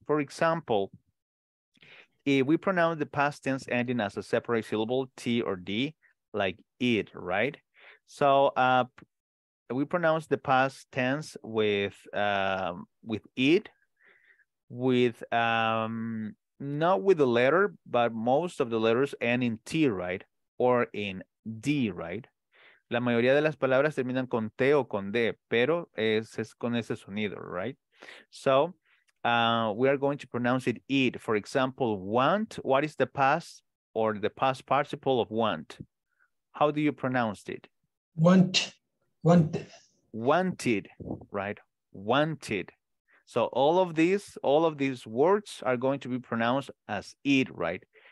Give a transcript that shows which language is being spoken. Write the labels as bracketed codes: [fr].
[en] For example, if we pronounce the past tense ending as a separate syllable, T or D, like it, right? So we pronounce the past tense with it, with not with the letter, but most of the letters end in T, right? Or in D, right? [es] La mayoría de las palabras terminan con T o con D, pero es con ese sonido, right? [en] So we are going to pronounce it it. For example, want, what is the past or the past participle of want? How do you pronounce it? Want, want. Wanted, right? Wanted. So all of these words are going to be pronounced as it, right?